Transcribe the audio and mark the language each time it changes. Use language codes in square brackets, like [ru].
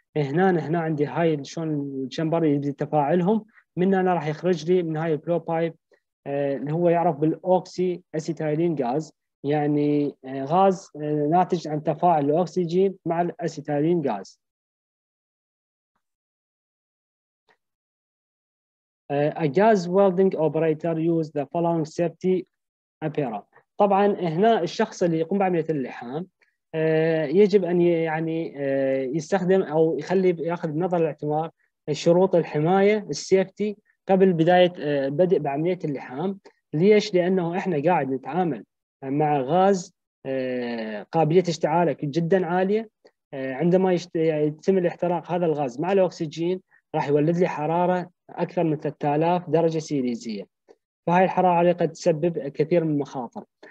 [ar] هنا عندي هاي شلون الشمبر يبدي تفاعلهم، من هنا راح يخرج لي من هاي البلو بايب اللي هو يعرف بالاوكسي اسيتيلين غاز، يعني غاز ناتج عن تفاعل الاكسجين مع الاسيتيلين غاز. [en] A gas welding operator use the following safety apparatus. [ar] طبعا هنا الشخص اللي يقوم بعمليه اللحام يجب ان يعني يستخدم او يخلي ياخذ بنظر الاعتبار شروط الحمايه السيفتي قبل بدايه بدء بعمليه اللحام. ليش؟ لانه احنا قاعد نتعامل مع غاز قابليه اشتعاله جدا عاليه، عندما يتم الاحتراق هذا الغاز مع الاكسجين راح يولد لي حراره اكثر من 3000 درجه سيليزيه، فهي الحراره اللي قد تسبب كثير من المخاطر.